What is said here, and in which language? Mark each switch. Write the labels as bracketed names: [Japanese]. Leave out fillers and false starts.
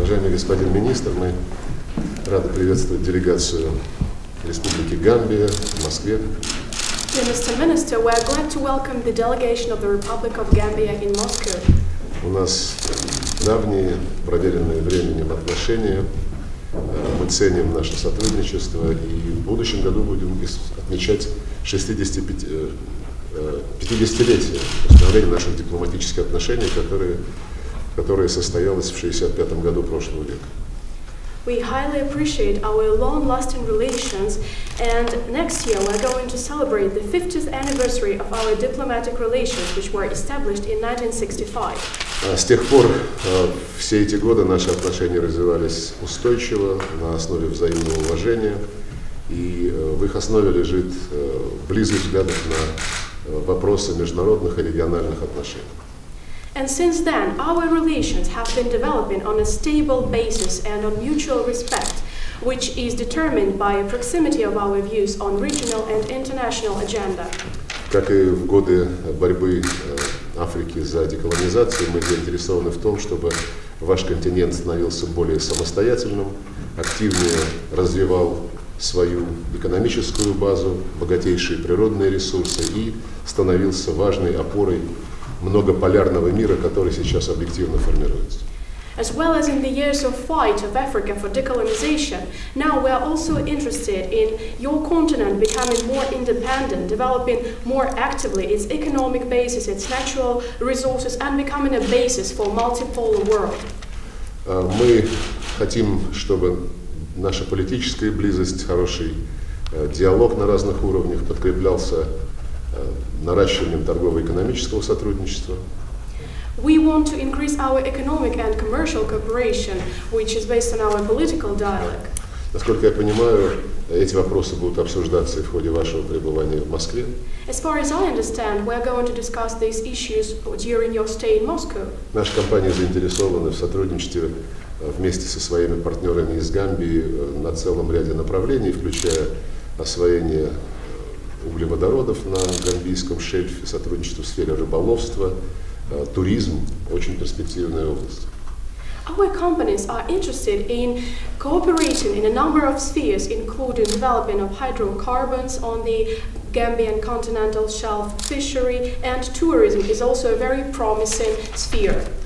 [Russian] господин министр, мы рады приветствовать делегацию Республики Гамбия в Москве. [English] Dear Mr. Minister, we are glad to welcome the delegation of the Republic of Gambia in Moscow. [Russian] У нас давние, проверенные временем отношения. Мы ценим наше сотрудничество и в будущем году будем отмечать 50-летие установления наших дипломатических отношений, которые состоялось в 65-м году прошлого века. [English] We highly appreciate our long-lasting relations, and next year we're going to celebrate the 50th anniversary of our diplomatic relations, which were established in 1965. [Russian] С тех пор все эти годы наши отношения развивались устойчиво на основе взаимного уважения, и в их основе лежит близость взглядов на вопросы международных и региональных отношений. [English] And since then, our relations have been developing on a stable basis and on mutual respect, which is determined by a proximity of our views on regional and international agenda. [Russian] Как и в годы борьбы Африки за деколонизацию, мы заинтересованы в том, чтобы ваш континент становился более самостоятельным, активнее развивал свою экономическую базу, богатейшие природные ресурсы и становился важной опорой многополярного мира, который сейчас объективно формируется. [English] As well as in the years of fight of Africa for decolonization, now we are also interested in your continent becoming more independent, developing more actively its economic basis, its natural resources, and becoming a basis for multipolar world. [Russian] Мы хотим, чтобы наша политическая близость, хороший диалог на разных уровнях подкреплялся наращиванием торгово-экономического сотрудничества. [English] We want to increase our economic and commercial cooperation, which is based on our political dialogue. [Russian] Насколько я понимаю, эти вопросы будут обсуждаться в ходе вашего пребывания в Москве. [English] As far as I understand, we are going to discuss these issues during your stay in Moscow. [Russian] Наша компания заинтересована в сотрудничестве вместе со своими партнерами из Гамбии на целом ряде направлений, включая освоение углеводородов на гамбийском шельфе, сотрудничество в сфере рыболовства, туризм – очень перспективная область. [English] Our companies are interested in cooperating in a number of spheres, including developing of hydrocarbons on the Gambian continental shelf, fishery, and tourism is also a very promising sphere.